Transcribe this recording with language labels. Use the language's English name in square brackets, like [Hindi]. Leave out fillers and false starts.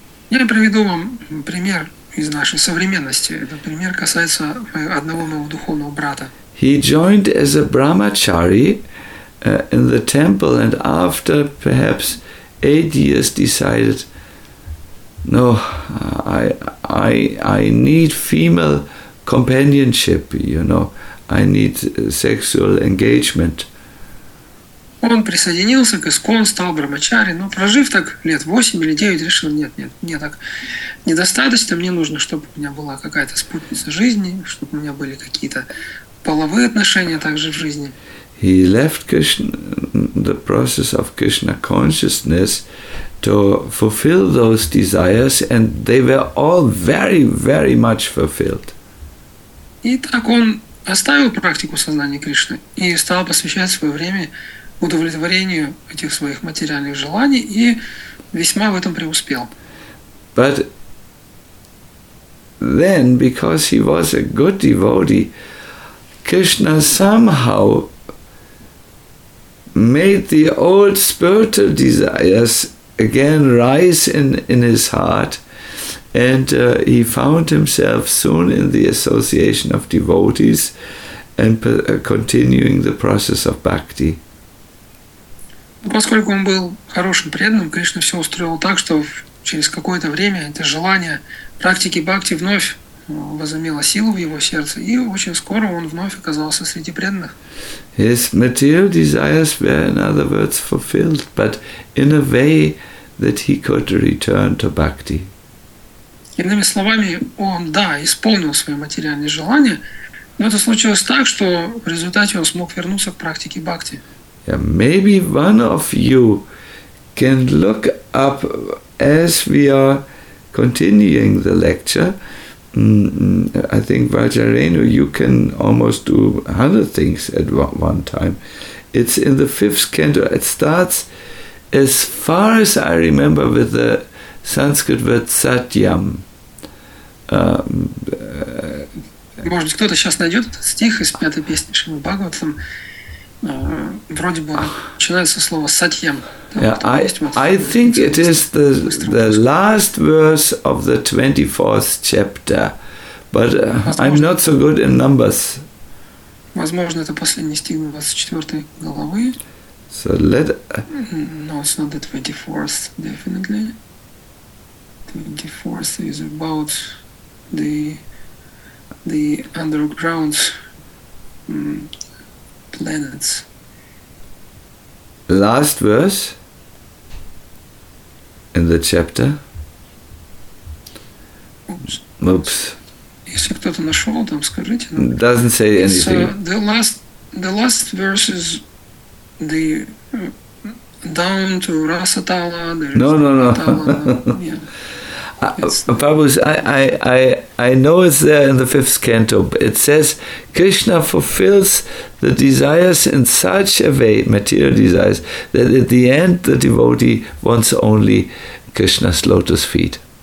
[Russian] Я приведу вам пример из нашей современности. Этот пример касается одного моего духовного брата. [English] He joined as a brahmachari in the temple, and after perhaps 8 years, decided, no, I need female companionship. You know, I need sexual engagement. [Russian] Он присоединился к искон, стал брамачари, но прожив так лет 8 или 9, решил, нет, мне так недостаточно, мне нужно, чтобы у меня была какая-то спутница жизни, чтобы у меня были какие-то половые отношения также в жизни. [English] He left Krishna, the process of Krishna consciousness, to fulfill those desires, and they were all very, very much fulfilled. [Russian] И так он оставил практику сознания Кришны и стал посвящать свое время удовлетворению этих своих материальных желаний и весьма в этом преуспел. [English] But then, because he was a good devotee, Krishna somehow made the old spiritual desires again rise in his heart, and he found himself soon in the association of devotees and continuing the process of bhakti. [Russian] Поскольку он был хорошим преданным, Кришна все устроил так, что через какое-то время это желание практики бхакти вновь возымело силу в его сердце, и очень скоро он вновь оказался среди преданных. [English] His material desires were, in other words, fulfilled, but in a way that he could return to bhakti. [Russian] Иными словами, он, да, исполнил свои материальные желания, но это случилось так, что в результате он смог вернуться к практике бхакти. [English] Yeah, maybe one of you can look up as we are continuing the lecture. I think, Vajrayana, you can almost do 100 things at one time. It's in the fifth canto. It starts, as far as I remember, with the Sanskrit word satyam. [Russian] Может, кто-то сейчас найдет этот стих из пятой песни Шримад Бхагаватам. Вроде бы начинается слово сатьям. [English] I think it is the last verse of the 24th chapter, but I'm not so good in numbers. [Russian] Возможно, это последний стих 24 главы. [English] So let. No, it's not the 24th, definitely. 24th is about the underground. Planets. Last verse in the chapter. Oops. [Russian] Если кто-то нашел, там скажите. [English] Doesn't say anything. So the last verse is the down to Rasatala. No. Prabhupada, yeah. I know it's there in the fifth canto. It says Krishna fulfills the desires in such a way, material desires, that at the end the devotee wants only Krishna's lotus feet.